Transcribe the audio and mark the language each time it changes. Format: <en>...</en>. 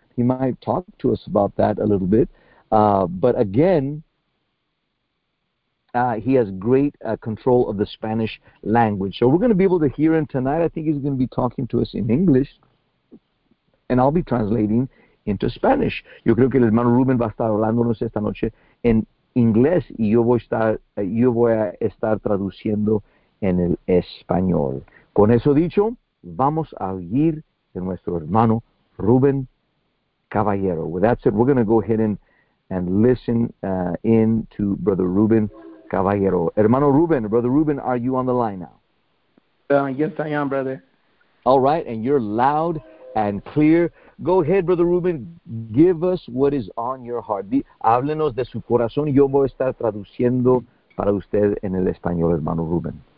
<en>He might talk to us about that a little bit. But again, he has great control of the Spanish language. So we're going to be able to hear him tonight. I think he's going to be talking to us in English, and I'll be translating into Spanish.</en> <es>Yo creo que el hermano Rubén va a estar hablándonos esta noche en inglés, y yo voy a estar traduciendo en el español. Con eso dicho, vamos a oír de nuestro hermano Rubén Caballero.</es> <en>With that said, we're going to go ahead and listen in to Brother Rubén Caballero. Hermano Rubén, Brother Rubén, are you on the line now? Yes, I am, brother. All right, and you're loud and clear. Go ahead, Brother Rubén, give us what is on your heart.</en> <es>Háblenos de su corazón, y yo voy a estar traduciendo para usted en el español, hermano Rubén.</es>